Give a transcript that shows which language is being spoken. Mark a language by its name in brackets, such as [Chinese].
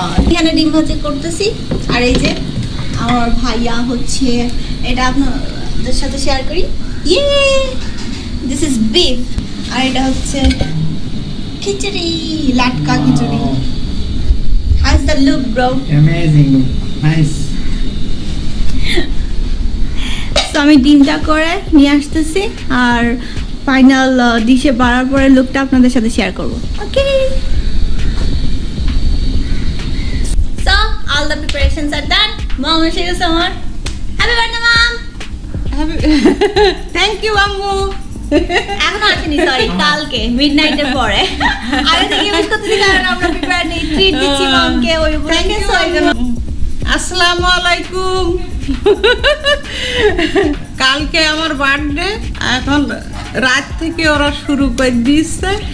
[Bangla] এখানে ডিম ভাজি করতেছি, আর এই যে আমার ভাইয়া হচ্ছে, এটা আপনাদের সাথে শেয়ার করি, [English] yeah this is beef, [Bangla] আর এটা হচ্ছে খিচুড়ি, লাটকা খিচুড়ি। [English] How is the look bro? Amazing, nice. [Bangla] তো আমি ডিমটা করে নিয়ে আসতেছি, আর ফাইনাল ডিশে বাড়ার পরে লুকটা আপনাদের সাথে শেয়ার করবো। [English] Okay, all the preparations are done, mom is here somewhere. Happy birthday mom, thank you ammu. [Bangla] এখন আসেনি, সরি, কালকে মিডনাইট এর পরে আগে থেকে উইশ করতে দিই, কারণ আমরা প্রিপেয়ার নেই, ট্রিট দিচ্ছি মামকে। [English] ওই thank you so much. [Bangla] আসসালামু আলাইকুম, কালকে আমার বার্থডে, এখন রাত থেকে ওরা শুরু করে দিচ্ছে।